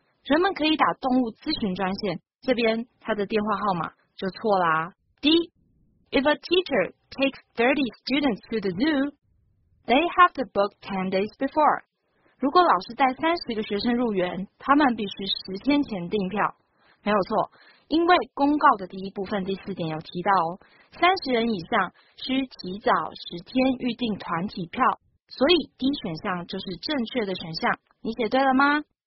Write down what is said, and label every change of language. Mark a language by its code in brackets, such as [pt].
[zh] 人们可以打动物咨询专线，这边他的电话号码就错啦。 D. [en] If a teacher takes 30 students to the zoo, they have to book 10 days before. [zh] 如果老师带30个学生入园，他们必须十天前订票。没有错，因为公告的第一部分第四点有提到哦，30人以上需提早十天预订团体票，所以 D 选项就是正确的选项。你写对了吗？